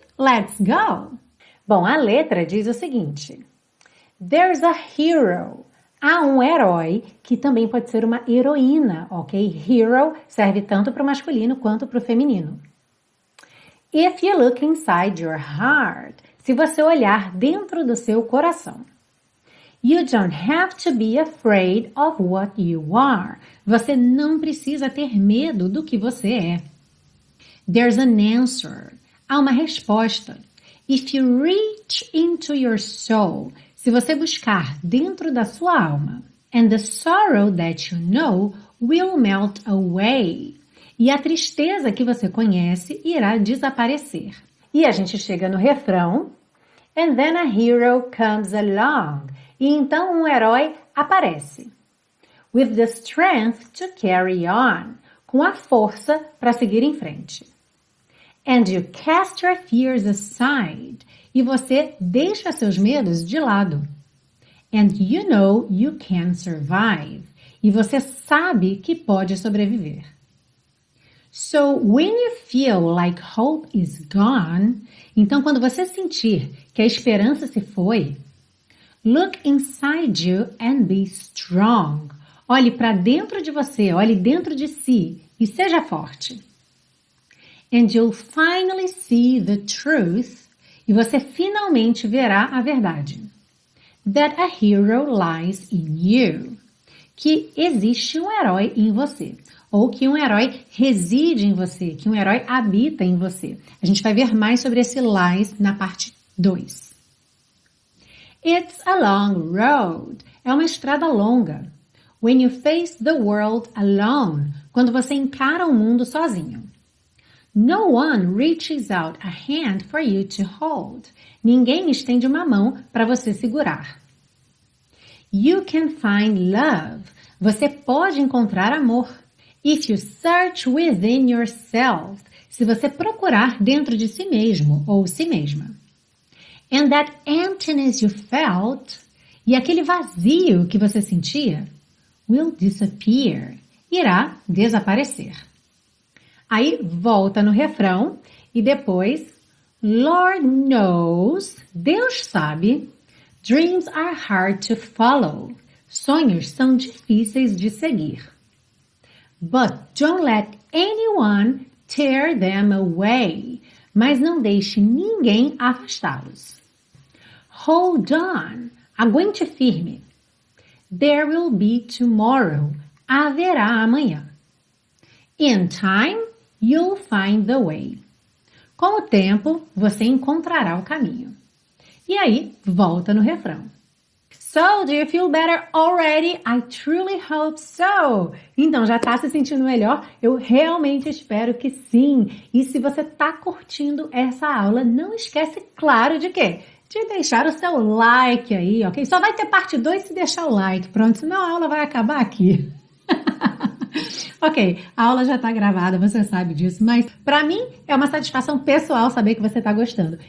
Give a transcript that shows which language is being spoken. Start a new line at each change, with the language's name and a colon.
English: Let's go!
Portuguese: Bom, a letra diz o seguinte:
English: There's a hero.
Portuguese: Há um herói que também pode ser uma heroína, ok? Hero serve tanto para o masculino quanto para o feminino.
English: If you look inside your heart,
Portuguese: se você olhar dentro do seu coração.
English: You don't have to be afraid of what you are.
Portuguese: Você não precisa ter medo do que você é.
English: There's an answer.
Portuguese: Há uma resposta.
English: If you reach into your soul,
Portuguese: se você buscar dentro da sua alma,
English: and the sorrow that you know will melt away.
Portuguese: E a tristeza que você conhece irá desaparecer. E a gente chega no refrão.
English: And then a hero comes along.
Portuguese: E então um herói aparece.
English: With the strength to carry on.
Portuguese: Com a força para seguir em frente.
English: And you cast your fears aside.
Portuguese: E você deixa seus medos de lado.
English: And you know you can survive.
Portuguese: E você sabe que pode sobreviver.
English: So when you feel like hope is gone,
Portuguese: então quando você sentir que a esperança se foi,
English: look inside you and be strong.
Portuguese: Olhe para dentro de você, olhe dentro de si e seja forte.
English: And you'll finally see the truth.
Portuguese: E você finalmente verá a verdade.
English: That a hero lies in you.
Portuguese: Que existe um herói em você. Ou que um herói reside em você. Que um herói habita em você. A gente vai ver mais sobre esse lies na parte 2.
English: It's a long road.
Portuguese: É uma estrada longa.
English: When you face the world alone.
Portuguese: Quando você encara o mundo sozinho.
English: No one reaches out a hand for you to hold.
Portuguese: Ninguém estende uma mão para você segurar.
English: You can find love.
Portuguese: Você pode encontrar amor.
English: If you search within yourself.
Portuguese: Se você procurar dentro de si mesmo ou si mesma.
English: And that emptiness you felt.
Portuguese: E aquele vazio que você sentia.
English: Will disappear.
Portuguese: Irá desaparecer. Aí volta no refrão e depois,
English: Lord knows,
Portuguese: Deus sabe,
English: dreams are hard to follow,
Portuguese: sonhos são difíceis de seguir.
English: But don't let anyone tear them away,
Portuguese: mas não deixe ninguém afastá-los.
English: Hold on,
Portuguese: Aguente firme.
English: There will be tomorrow.
Portuguese: Haverá amanhã.
English: In time, you'll find the way.
Portuguese: Com o tempo, você encontrará o caminho. E aí, volta no refrão.
English: So, do you feel better already? I truly hope so.
Portuguese: Então, já está se sentindo melhor? Eu realmente espero que sim. E se você está curtindo essa aula, não esquece, claro, de quê? De deixar o seu like aí, ok? Só vai ter parte 2 se deixar o like. Pronto, senão a aula vai acabar aqui. Ok, a aula já está gravada, você sabe disso, mas para mim é uma satisfação pessoal saber que você está gostando.